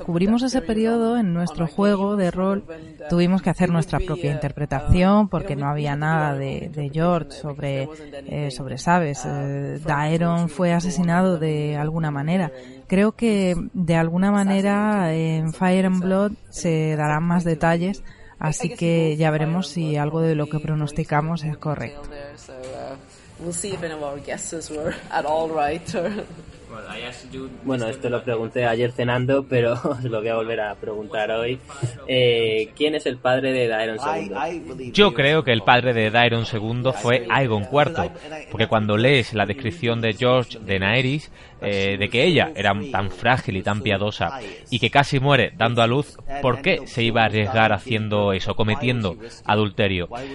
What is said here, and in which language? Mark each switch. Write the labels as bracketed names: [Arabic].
[Spanish] Cubrimos ese periodo en nuestro juego de rol. Tuvimos que hacer nuestra propia interpretación porque no había nada de George sobre Sabes. Daeron fue asesinado de alguna manera. Creo que de alguna manera en Fire and Blood se darán más detalles, así que ya veremos si algo de lo que pronosticamos es correcto. [English] We'll see if any of our guesses were at all right. [Spanish] Bueno, esto lo pregunté ayer cenando, pero os lo voy a volver a preguntar hoy. ¿Quién es el padre de Daeron II? Yo creo que el padre de Daeron II fue Aegon IV, porque cuando lees la descripción de George de Daenerys, de que ella era tan frágil y tan piadosa y que casi muere dando a luz, ¿por qué se iba a arriesgar haciendo eso, cometiendo adulterio?